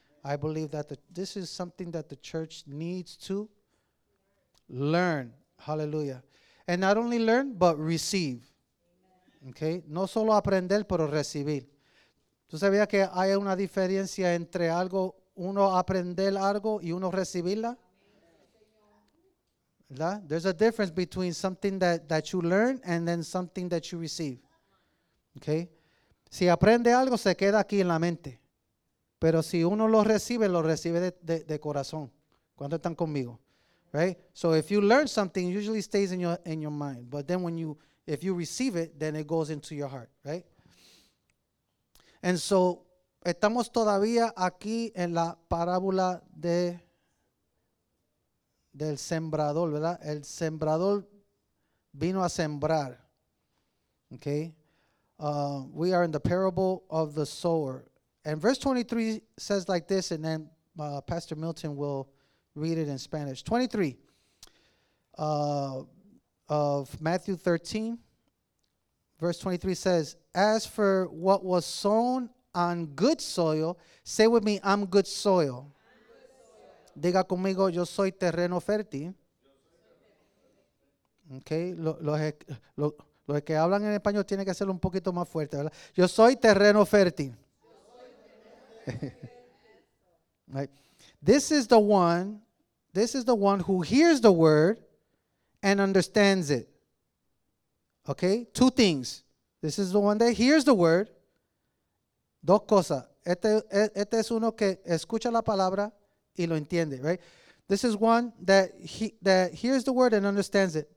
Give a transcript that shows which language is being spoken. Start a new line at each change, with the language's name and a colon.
English: I believe that this is something that the church needs to learn. Hallelujah. And not only learn, but receive. Okay?
Spanish: No solo aprender, pero recibir. ¿Tú sabías que hay una diferencia entre algo, uno aprender algo y uno recibirla? ¿Verdad?
English: There's a difference between something that you learn and then something that you receive. Okay?
Spanish: Si aprende algo, se queda aquí en la mente. Pero si uno lo recibe de corazón. ¿Cuántos están conmigo?
English: Right? So if you learn something, it usually stays in your mind. But then if you receive it, then it goes into your heart. Right? And so,
Spanish: estamos todavía aquí en la parábola del sembrador, ¿verdad? El sembrador vino a sembrar. Okay?
English: We are in the parable of the sower. And verse 23 says like this, and then Pastor Milton will read it in Spanish. 23 of Matthew 13, verse 23 says, as for what was sown on good soil, say with me, I'm good soil.
Spanish: Diga conmigo, yo soy terreno fértil. Okay, los que hablan en español tienen que hacerlo un poquito más fuerte, ¿verdad? Yo soy terreno fértil.
English: Right. This is the one who hears the word and understands it. Okay, two things. This is the one that hears the word.
Spanish: Dos cosas. Este es uno que escucha la palabra y lo entiende,
English: right? This is one that hears the word and understands it.